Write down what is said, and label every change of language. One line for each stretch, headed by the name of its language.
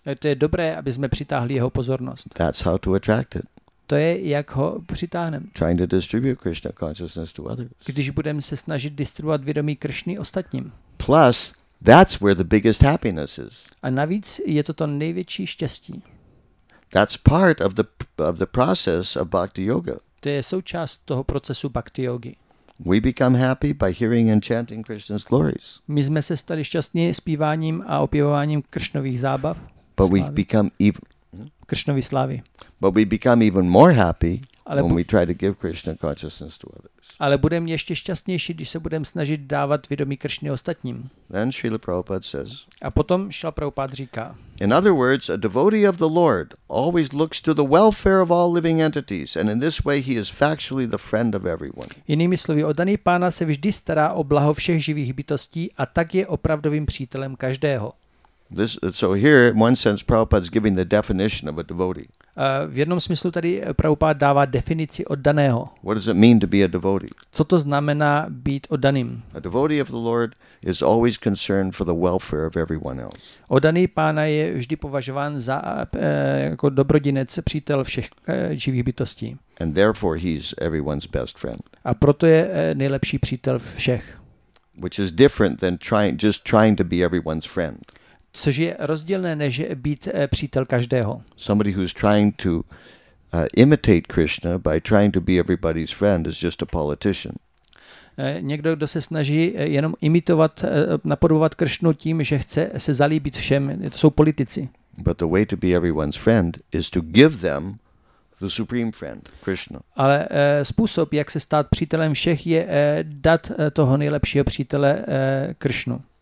Czech: To je dobré, aby jsme přitáhli jeho pozornost.
English: That's how to attract it.
Czech: To je, jak ho přitáhneme.
English: Trying to distribute Krishna consciousness to others.
Czech: Když budeme se snažit distribuovat vědomí Krishny ostatním.
English: Plus, that's where the biggest happiness is.
Czech: A navíc je to největší štěstí.
English: That's part of the process of Bhakti Yoga.
Czech: To je součást toho procesu Bhakti Yogi.
English: We become happy by hearing and chanting Krishna's glories.
Czech: My jsme se stali šťastní zpíváním a opěvováním Krishnových zábav.
English: But we become even
Czech: Krishnovy slávy.
English: But we become even more happy when we try to give Krishna consciousness to others.
Czech: Ale budeme ještě šťastnější, když se budeme snažit dávat vědomí Krishny ostatním.
English: Then Srila Prabhupada says.
Czech: A potom Srila Prabhupada říká.
English: In other words, a devotee of the Lord always looks to the welfare of all living entities, and in this way he is factually the friend of everyone.
Czech: Jinými slovy, oddaný Pána se vždy stará o blaho všech živých bytostí a tak je opravdovým přítelem každého.
English: This, so here, in one sense, Prabhupada's giving the definition of a devotee.
Czech: V jednom smyslu tady Prabhupada dává definici oddaného.
English: What does it mean to be a devotee?
Czech: Co to znamená být oddaným?
English: A devotee of the Lord is always concerned for the welfare of everyone else.
Czech: Oddaný Pána je vždy považován za jako dobrodinec, přítel všech živých bytostí.
English: And therefore he's everyone's best friend.
Czech: A proto je nejlepší přítel všech.
English: Which is different than trying to be everyone's friend.
Czech: Což je rozdílné, než být přítel každého.
English: Somebody who's trying to imitate Krishna by trying to be everybody's friend is just a politician.
Czech: Někdo, kdo se snaží jenom imitovat, napodobovat Krišnu tím, že chce se zalíbit všem, to jsou politici.
English: But the way to be everyone's friend is to give them the supreme friend, Krishna.
Czech: Ale způsob, jak se stát přítelem všech, je dát toho nejlepšího přítele Krišnu.